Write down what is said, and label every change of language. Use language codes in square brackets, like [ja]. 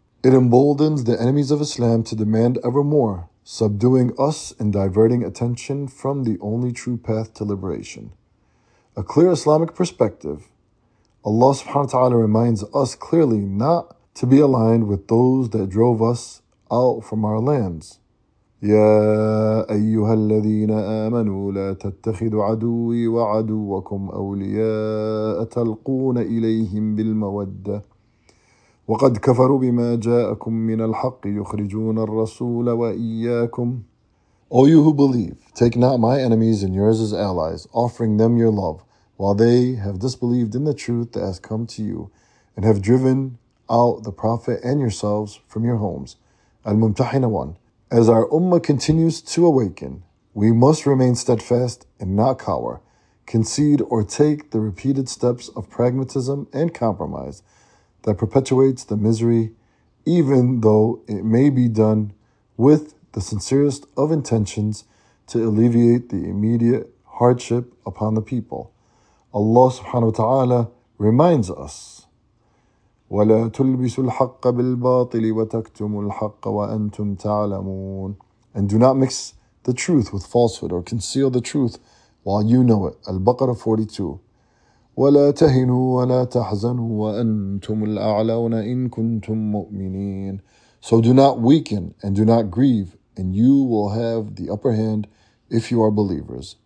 [en] It emboldens the enemies of Islam to demand ever more, subduing us and diverting attention from the only true path to liberation. A clear Islamic perspective. Allah subhanahu wa ta'ala reminds us clearly not to be aligned with those that drove us out from our lands. [ar] يا أيها الذين آمنوا لا تتخذوا عدوي وعدوكم أولياء تلقون إليهم بالمودة وقد كفروا بما جاءكم من الحق يخرجون الرسول وإياكم. [en] O you who believe, take not my enemies and yours as allies, offering them your love, while they have disbelieved in the truth that has come to you, and have driven out the Prophet and yourselves from your homes. Al-Mumtahina 1. As our ummah continues to awaken, we must remain steadfast and not cower, concede or take the repeated steps of pragmatism and compromise that perpetuates the misery, even though it may be done with the sincerest of intentions to alleviate the immediate hardship upon the people. Allah subhanahu wa ta'ala reminds us, [ar] وَلَا تُلْبِسُوا الْحَقَّ بِالْبَاطِلِ وَتَكْتُمُوا الْحَقَّ وَأَنْتُمْ تَعْلَمُونَ. [en] And do not mix the truth with falsehood or conceal the truth while you know it. [ar] Al-Baqarah 42. وَلَا تَهِنُوا وَلَا تَحْزَنُوا وَأَنْتُمُ الْأَعْلَوْنَ إِن كُنْتُمْ مُؤْمِنِينَ. [en] So do not weaken and do not grieve, and you will have the upper hand if you are believers.